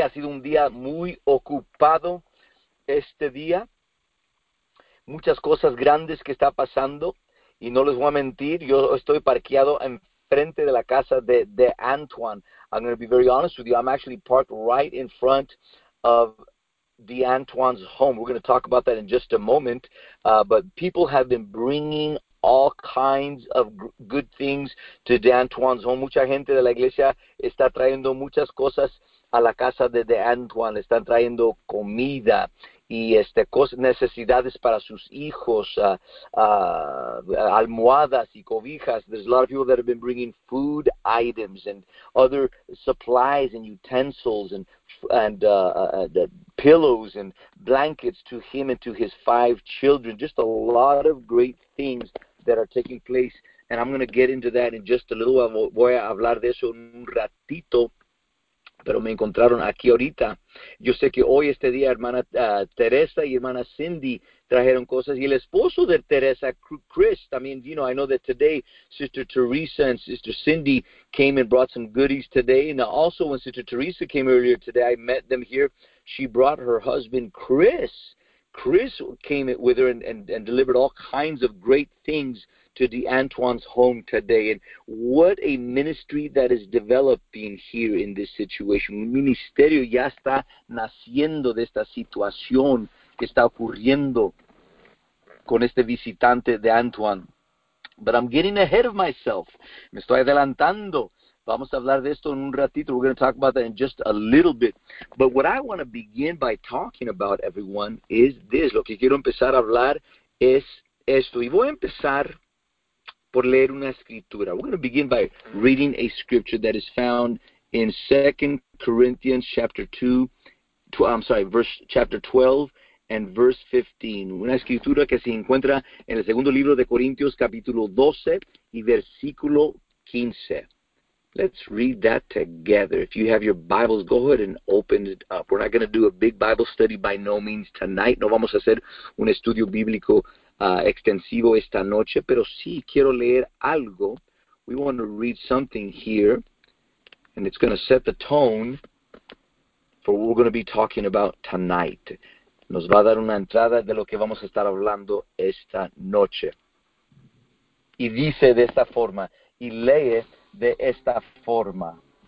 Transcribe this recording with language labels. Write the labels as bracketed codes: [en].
[es] Ha sido un día muy ocupado este día. Muchas cosas grandes que está pasando. Y no les voy a mentir, yo estoy parqueado enfrente de la casa de Antoine. [en] I'm going to be very honest with you. I'm actually parked right in front of the Antoine's home. We're going to talk about that in just a moment. But people have been bringing all kinds of good things to the Antoine's home. [es] Mucha gente de la iglesia está trayendo muchas cosas a la casa de Antoine. Están trayendo comida y cosas, necesidades para sus hijos, almohadas y cobijas. [en] There's a lot of people that have been bringing food items and other supplies and utensils and pillows and blankets to him and to his five children. Just a lot of great things that are taking place. And I'm going to get into that in just a little while. [es] Voy a hablar de eso un ratito. Pero me encontraron aquí ahorita. Yo sé que hoy este día, hermana Teresa y hermana Cindy trajeron cosas. Y el esposo de Teresa, Chris, también vino. [en] I know that today, Sister Teresa and Sister Cindy came and brought some goodies today. And also, when Sister Teresa came earlier today, I met them here. She brought her husband, Chris. Chris came with her and delivered all kinds of great things to the Antoine's home today. And what a ministry that is developing here in this situation. [es] Un ministerio ya está naciendo de esta situación que está ocurriendo con este visitante de Antoine. [en] But I'm getting ahead of myself. [es] Me estoy adelantando. Vamos a hablar de esto en un ratito. [en] We're going to talk about that in just a little bit. But what I want to begin by talking about, everyone, is this. [es] Lo que quiero empezar a hablar es esto. Y voy a empezar por leer una escritura. [en] We're going to begin by reading a scripture that is found in 2 Corinthians chapter 2, I'm sorry, verse chapter 12 and verse 15. [es] Una escritura que se encuentra en el segundo libro de Corintios, capítulo 12 y versículo 15. [en] Let's read that together. If you have your Bibles, go ahead and open it up. We're not going to do a big Bible study by no means tonight. [es] No vamos a hacer un estudio bíblico extensivo esta noche, pero sí quiero leer algo. [en] We want to read something here, and it's going to set the tone for what we're going to be talking about tonight. [es] Nos va a dar una entrada de lo que vamos a estar hablando esta noche. Y dice de esta forma, y lee de esta forma.